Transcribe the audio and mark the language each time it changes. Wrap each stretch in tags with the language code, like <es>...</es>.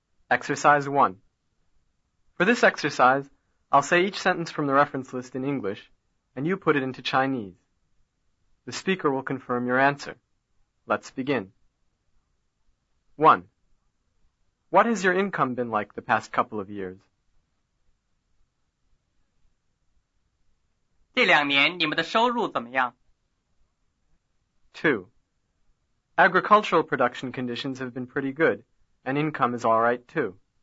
<en>Exercise 1. For this exercise, I'll say each sentence from the reference list in English, and you put it into Chinese. The speaker will confirm your answer. Let's begin. 1. What has your income been like the past couple of years?</en> <zh>这两年你们的收入怎么样?</zh> <en>2. Agricultural production conditions have been pretty good, and income is all right too.</en>